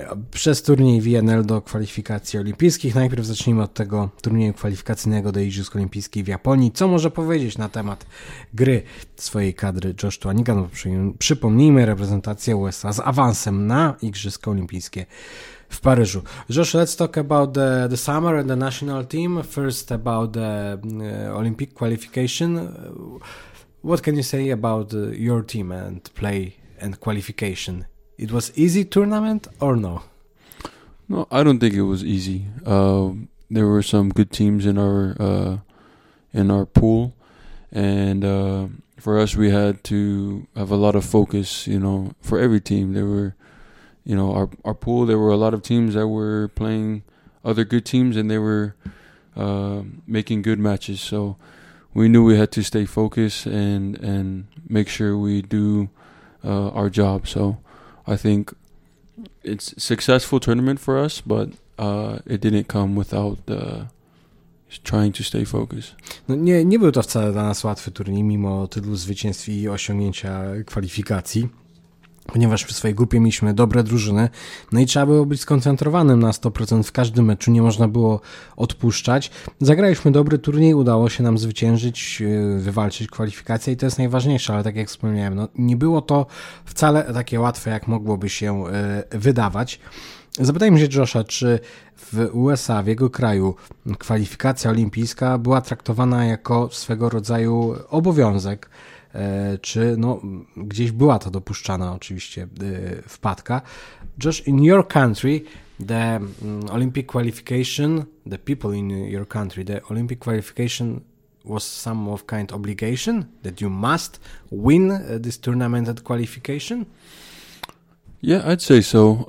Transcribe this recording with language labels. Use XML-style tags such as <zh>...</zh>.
<pl>Przez turniej VNL do kwalifikacji olimpijskich. Najpierw zacznijmy od tego turnieju kwalifikacyjnego do Igrzysk Olimpijskich w Japonii. Co może powiedzieć na temat gry swojej kadry Josh Tuaniga? No, przypomnijmy, reprezentacja USA z awansem na Igrzyska Olimpijskie w Paryżu.</pl> <en>Josh, let's talk about the summer and the national team. First about the Olympic qualification. What can you say about your team and play and qualification? It was easy tournament or no? No, I don't think it was easy. There were some good teams in our pool, and for us, we had to have a lot of focus. You know, for every team, there were, you know, our pool. There were a lot of teams that were playing other good teams, and they were making good matches. So we knew we had to stay focused and make sure we do our job. So I think it's a successful tournament for us, but it didn't come without trying to stay focused.</en> <pl>No nie był to wcale dla nas łatwy turniej, mimo tylu zwycięstw i osiągnięcia kwalifikacji, ponieważ w swojej grupie mieliśmy dobre drużyny, no i trzeba było być skoncentrowanym na 100% w każdym meczu, nie można było odpuszczać. Zagraliśmy dobry turniej, udało się nam zwyciężyć, wywalczyć kwalifikację i to jest najważniejsze, ale tak jak wspomniałem, no nie było to wcale takie łatwe, jak mogłoby się wydawać. Zapytajmy się Josha, czy w USA, w jego kraju, kwalifikacja olimpijska była traktowana jako swego rodzaju obowiązek, czy no gdzieś była to dopuszczana oczywiście wpadka.</pl> <en>Josh, in your country, the Olympic qualification, the people in your country, the Olympic qualification was some of kind obligation that you must win this tournament at qualification? Yeah, I'd say so.</en>